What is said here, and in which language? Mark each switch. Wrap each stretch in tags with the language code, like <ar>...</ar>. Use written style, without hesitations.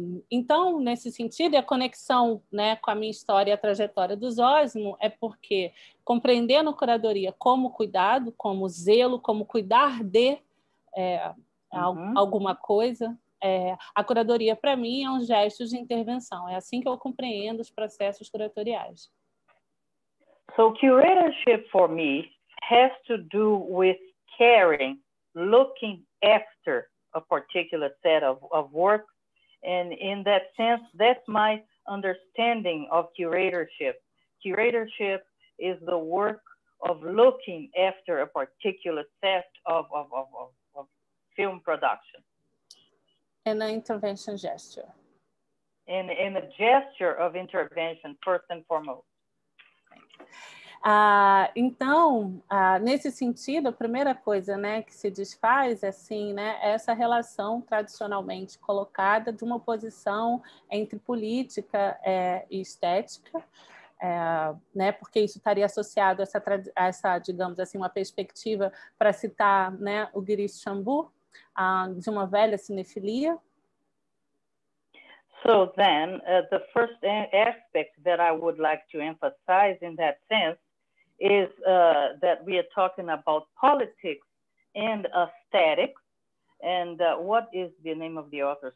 <pt>Então, nesse sentido, a conexão, né, com a minha história e a trajetória do Zozimo é porque, compreendendo curadoria como cuidado, como zelo, como cuidar de alguma coisa, a curadoria, para mim, é um gesto de intervenção. É assim que eu compreendo os processos curatoriais.</pt> <en>So, curatorship for me has to do with caring, looking after a particular set of work. And in that sense, that's my understanding of curatorship. Curatorship is the work of looking after a particular set of film production. And an intervention gesture. And a gesture of intervention, first and foremost.</en> <pt>Então, nesse sentido, a primeira coisa, né, que se desfaz é assim, né, essa relação tradicionalmente colocada de uma posição entre política e estética, né, porque isso estaria associado a essa, digamos assim, uma perspectiva, para citar, né, o Girish Chambu, de uma velha cinefilia.</pt> <en>So then, the first aspect that I would like to emphasize in that sense is that we are talking about politics and aesthetics. And what is the name of the author?</en>